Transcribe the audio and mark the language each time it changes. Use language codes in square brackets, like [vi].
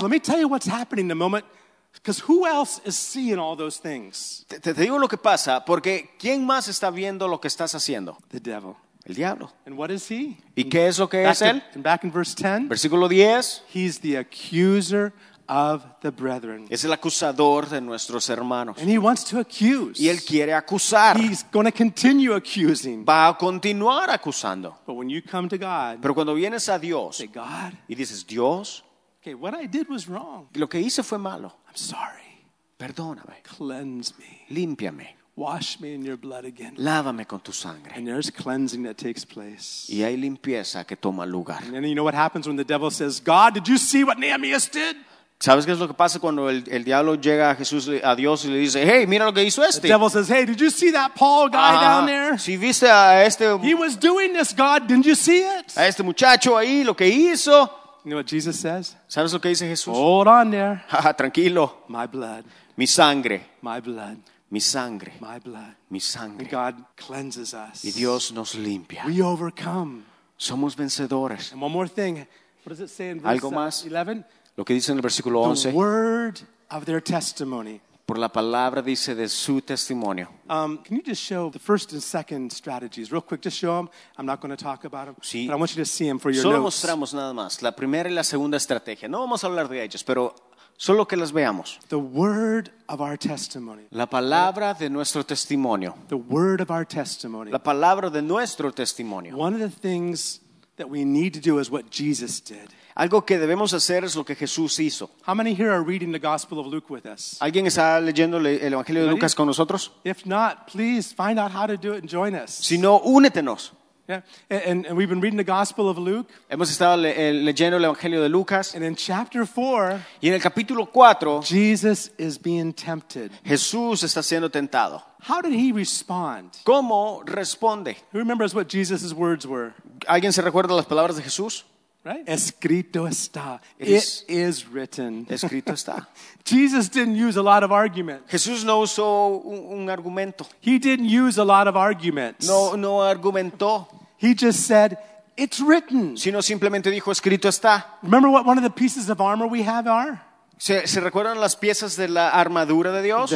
[en] Let me tell you what's happening in the moment. Because who else is seeing all those things? [es] Te digo lo que pasa, porque ¿quién más está viendo lo que estás haciendo? [en] The devil. [es] El diablo. [en] And what is he? [es] ¿Y qué es lo que es él? [en] Back in verse 10. [es] Versículo 10. [en] He's the accuser of the brethren. [es] Es el acusador de nuestros hermanos. [en] And he wants to accuse. [es] Y él quiere acusar. [en] He's going to continue accusing. [es] Va a continuar acusando. [en] But when you come to God, [es] pero cuando vienes a Dios, [en] say, God, [es] y dices, Dios, [en] okay, what I did was wrong. [es] Lo que hice fue malo. [en] I'm sorry. [es] Perdóname. [en] Cleanse me. [es] Límpiame. [en] Wash me in your blood again. [es] Lávame con tu sangre. [en] And there's cleansing that takes place. [es] Y hay limpieza que toma lugar. [en] And you know what happens when the devil says, God, did you see what Nehemiah did? [es] ¿Sabes qué es lo que pasa cuando el diablo llega a Jesús, a Dios y le dice, hey, mira lo que hizo este? [en] The devil says, hey, did you see that Paul guy down there? [es] ¿Sí viste a este? [en] He was doing this, God, didn't you see it? [es] A este muchacho ahí, lo que hizo. [en] You know what Jesus says? [es] ¿Sabes lo que dice Jesús? [en] Hold on there. [es] Tranquilo. [en] My blood. [es] Mi sangre. [en] My blood. [es] Mi sangre. [en] My blood. [es] Mi sangre. [en] And God cleanses us. [es] Y Dios nos limpia. [en] We overcome. [es] Somos vencedores. [en] And one more thing. What does it say in verse 11? [es] Lo que dice en el versículo 11. [en] The word of their testimony. [es] Por la palabra dice de su testimonio. [en] Can you just show the first and second strategies real quick? Just show them. I'm not going to talk about them. [es] Sí. [en] But I want you to see them for your [es] solo [en] notes. [es] Solo mostramos nada más. La primera y la segunda estrategia. No vamos a hablar de ellas, pero solo que las veamos. [en] The word of our testimony. [es] La palabra de nuestro testimonio. [en] The word of our testimony. [es] La palabra de nuestro testimonio. [en] One of the things that we need to do is what Jesus did. [es] Algo que debemos hacer es lo que Jesús hizo. [en] How many here are reading the Gospel of Luke with us? [es] ¿Alguien está leyendo el Evangelio de Lucas con nosotros? [en] If not, please find out how to do it and join us. [es] Si no, únetenos. [en] Yeah. And we've been reading the Gospel of Luke. [es] Hemos estado leyendo el Evangelio de Lucas. [en] And in chapter 4, [es] y en el capítulo 4, [en] Jesus is being tempted. [es] Jesús está siendo tentado. [en] How did he respond? [es] ¿Cómo responde? [en] Who remembers what Jesus' words were? [es] ¿Alguien se recuerda las palabras de Jesús? [en] Right? [es] Escrito está. [en] It is written. [es] Escrito está. [en] Jesus didn't use a lot of arguments. [es] Jesús no usó un argumento. [en] He didn't use a lot of arguments. [es] No argumentó. [en] He just said, it's written. [es] Sino simplemente dijo, escrito está. [en] Remember what one of the pieces of armor we have are? [es] ¿Se recuerdan las piezas de la armadura de Dios?